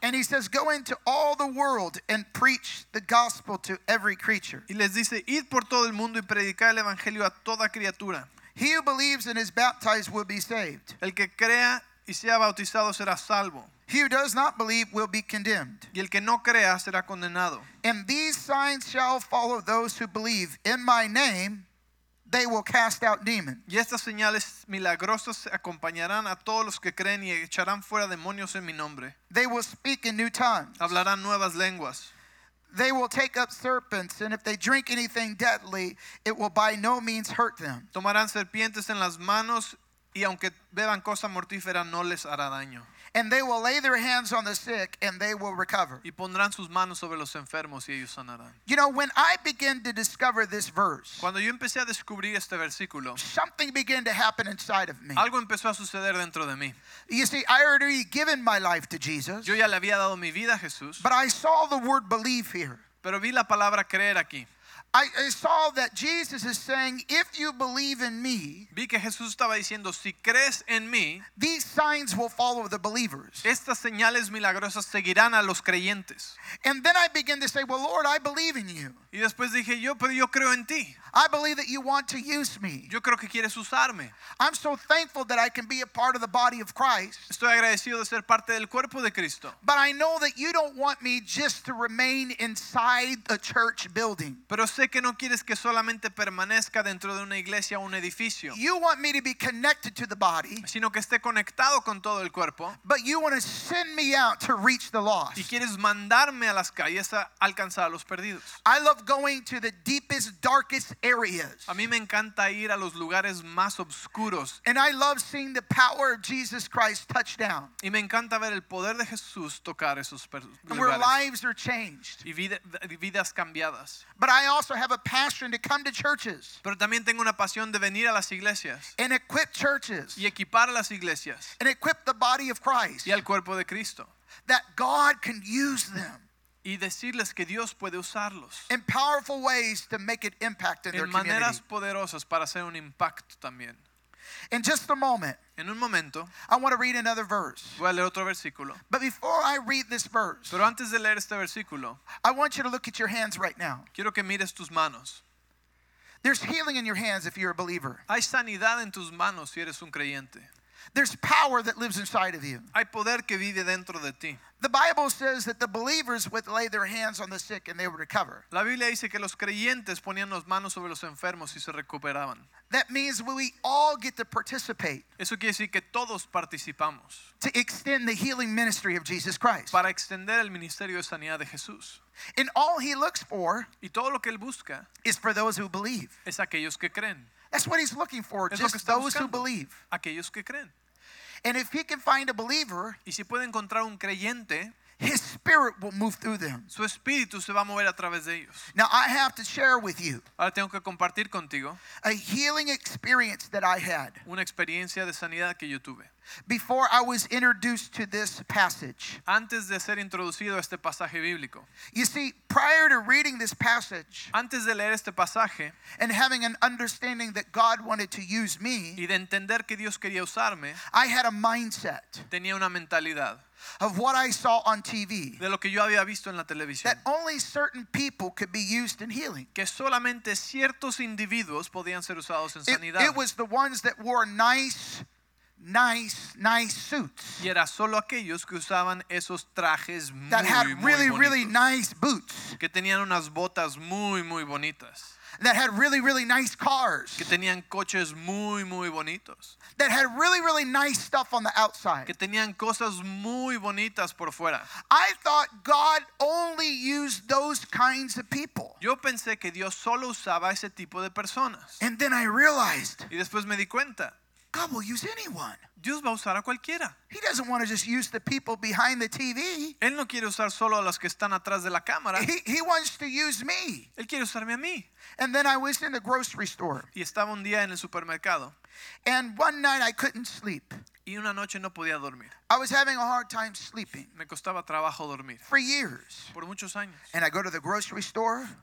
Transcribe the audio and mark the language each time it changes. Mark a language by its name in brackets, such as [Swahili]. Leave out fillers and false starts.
[English] And he says, "Go into all the world and preach the gospel to every creature." [Spanish] Y les dice, "Id por todo el mundo y predicar el evangelio a toda criatura." [English] He who believes and is baptized will be saved. [Spanish] El que crea y sea bautizado será salvo. [English] He who does not believe will be condemned. [Spanish] Y el que no crea será condenado. [English] And these signs shall follow those who believe in my name. They will cast out demons. [Spanish] Y estas señales milagrosas acompañarán a todos los que creen y echarán fuera demonios en mi nombre. [English] They will speak in new tongues. [Spanish] Hablarán nuevas lenguas. [English] They will take up serpents, and if they drink anything deadly, it will by no means hurt them. [Spanish] Tomarán serpientes en las manos, y aunque beban cosa mortífera, no les hará daño. [English] And they will lay their hands on the sick, and they will recover. [Spanish] Y pondrán sus manos sobre los enfermos, y ellos sanarán. [English] You know, when I began to discover this verse, [Spanish] cuando yo empecé a descubrir este versículo, [English] something began to happen inside of me. [Spanish] Algo empezó a suceder dentro de mí. [English] You see, I had already given my life to Jesus. [Spanish] Yo ya le había dado mi vida a Jesús. [English] But I saw the word believe here. [Spanish] Pero vi la palabra creer aquí. [English] I saw that Jesus is saying, if you believe in me, [Spanish] vi que Jesús estaba diciendo, si crees en mí, [English] these signs will follow the believers. [Spanish] Estas señales milagrosas seguirán a los creyentes. [English] And then I began to say, well, Lord, I believe in you. [Spanish] Y después dije, yo, pero yo creo en ti. [English] I believe that you want to use me. [Spanish] Yo creo que quieres usarme. [English] I'm so thankful that I can be a part of the body of Christ. [Spanish] Estoy agradecido de ser parte del cuerpo de Cristo. [English] But I know that you don't want me just to remain inside a church building. [Spanish] Pero sé que no quieres que solamente permanezca dentro de una iglesia o un edificio. [English] You want me to be connected to the body. [Spanish] Sino que esté conectado con todo el cuerpo. [English] But you want to send me out to reach the lost. [Spanish] Y quieres mandarme a las calles a alcanzar a los perdidos. [English] I love going to the deepest, darkest areas. [Spanish] A mí me encanta ir a los lugares más oscuros. [English] And I love seeing the power of Jesus Christ touch down. [Spanish] Y me encanta ver el poder de Jesús tocar esos lugares. [English] And where lives are changed. [Spanish] Y vidas cambiadas. [English] But I also have a passion to come to churches. [Spanish] Pero también tengo una pasión de venir a las iglesias. [English] And equip churches. [Spanish] Y equipar a las iglesias. [English] And equip the body of Christ. [Spanish] Y al cuerpo de Cristo. [English] That God can use them. [Spanish] Y decirles que Dios puede usarlos. [English] In powerful ways to make an impact in their community. [Spanish] En maneras poderosas para hacer un impacto también. [English] In just a moment. [Spanish] En un momento. [English] I want to read another verse. [Spanish] Voy a leer otro versículo. [English] But before I read this verse. [Spanish] Pero antes de leer este versículo. [English] I want you to look at your hands right now. [Spanish] Quiero que mires tus manos. [English] There's healing in your hands if you're a believer. [Spanish] Hay sanidad en tus manos si eres un creyente. [English] There's power that lives inside of you. [Spanish] Hay poder que vive dentro de ti. [English] The Bible says that the believers would lay their hands on the sick and they would recover. [Spanish] La Biblia dice que los creyentes ponían las manos sobre los enfermos y se recuperaban. [English] That means we all get to participate. [Spanish] Eso quiere decir que todos participamos. [English] To extend the healing ministry of Jesus Christ. [Spanish] Para extender el ministerio de sanidad de Jesús. [English] And all he looks for, [Spanish] y todo lo que él busca, [English] is for those who believe. [Spanish] Es aquellos que creen. [English] That's what he's looking for, just those who believe. [Spanish] Aquellos que creen. [English] And if he can find a believer, [Spanish] y si puede encontrar un creyente, [English] his spirit will move through them. [Spanish] Su espíritu se va a mover a través de ellos. [English] Now I have to share with you. [Spanish] Ahora tengo que compartir contigo. [English] A healing experience that I had. [Spanish] Una experiencia de sanidad que yo tuve. [English] Before I was introduced to this passage. [Spanish] Antes de ser introducido a este pasaje bíblico. [English] You see, prior to reading this passage. [Spanish] Antes de leer este pasaje. [English] And having an understanding that God wanted to use me. [Spanish] Y de entender que Dios quería usarme. [English] I had a mindset. [Spanish] Tenía una mentalidad. [English] Of what I saw on TV. [Spanish] De lo que yo había visto en la televisión. [English] That only certain people could be used in healing. [Spanish] Que solamente ciertos individuos podían ser usados en sanidad. [English] It was the ones that wore nice suits. [Spanish] Y era solo aquellos que usaban esos trajes muy, [English] that had [Spanish] muy [English] really [Spanish] bonitos. [English] Really nice boots. [Spanish] Que tenían unas botas muy bonitas. [English] that had really, really nice cars. [Spanish] Que tenían coches muy, muy bonitos. [English] That had really, really nice stuff on the outside. [Spanish] Que tenían cosas muy bonitas por fuera. [English] I thought God only used those kinds of people. [Spanish] Yo pensé que Dios solo usaba ese tipo de personas. [English] And then I realized. [Spanish] Y después me di cuenta. [English] God will use anyone. [Spanish] Dios va a usar a cualquiera. [English] He doesn't want to just use the people behind the TV. [Spanish] Él no quiere usar solo a los que están atrás de la cámara. [English] He wants to use me. [Spanish] Él quiere usarme a mí. [English] And then I was in the grocery store. [Spanish] Y estaba un día en el supermercado. [English] And one night I couldn't sleep. [Spanish] Y una noche no podía dormir. [English] I was having a hard time sleeping. [Spanish] Me costaba trabajo dormir. [English] For years. [Spanish] Por muchos años. [English] And I go to the grocery store.